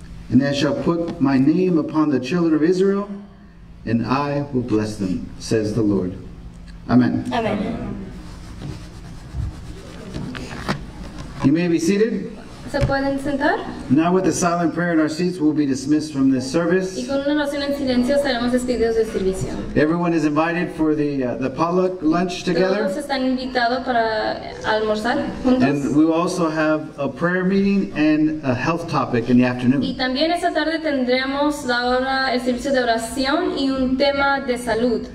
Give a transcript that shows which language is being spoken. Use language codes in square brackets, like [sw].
[en] And I shall put my name upon the children of Israel, and I will bless them, says the Lord. Amen. Amen. You may be seated. [es] ¿Se pueden sentar? [en] Now with a silent prayer in our seats, we'll be dismissed from this service. [es] Y con una oración en silencio, seremos despedidos del servicio. [en] Everyone is invited for the potluck lunch together. [es] Todos están invitados para almorzar juntos. [en] And we will also have a prayer meeting and a health topic in the afternoon. [es] Y también esta tarde tendremos la hora, el servicio de oración y un tema de salud.